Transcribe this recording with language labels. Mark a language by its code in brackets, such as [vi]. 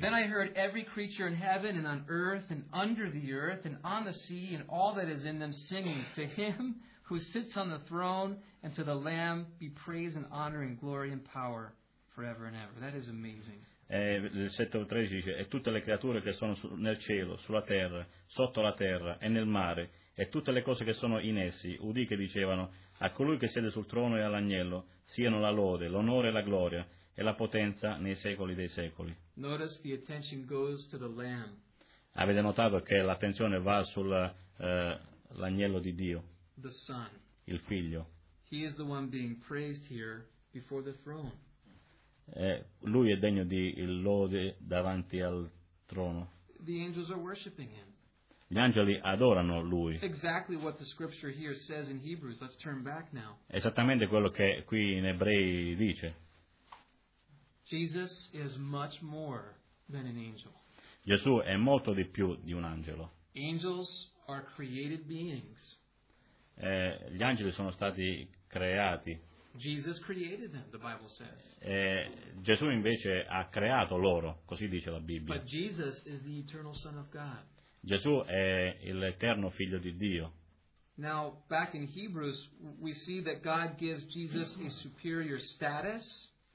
[en] Then I heard every creature in heaven and on earth and under the earth and on the sea and all that is in them singing, "To him who sits on the throne and to the Lamb be praise and honor and glory and power forever and ever." That is amazing. [it] Il versetto 13 dice: e tutte le creature che sono nel cielo, sulla terra, sotto la terra e nel mare e tutte le cose che sono in essi, udì che dicevano a colui che siede sul trono e all'agnello siano la lode, l'onore e la gloria e la potenza nei secoli dei secoli. [en] Notice the attention goes to the Lamb. [it] Avete notato che l'attenzione va sull'agnello di Dio, [en] the Son. [it] Il Figlio. [en] He is the one being praised here before the throne. [it] Lui è degno di lode davanti al trono. [en] The angels are worshiping him. [it] Gli angeli adorano lui. [en] Exactly what the scripture here says in Hebrews. Let's turn back now. [it] Esattamente quello che qui in Ebrei dice. [en] Jesus is much more than an angel. [it] Gesù è molto di più di un angelo. [en] Angels are created beings. [it] Gli angeli sono stati creati. [en] Jesus created them, the Bible says. [it] Gesù invece ha creato loro, così dice la Bibbia. [en] But Jesus is the eternal Son of God. [it] Gesù è l'eterno Figlio di Dio. [en] Now, back in Hebrews, we see that God gives Jesus a superior status.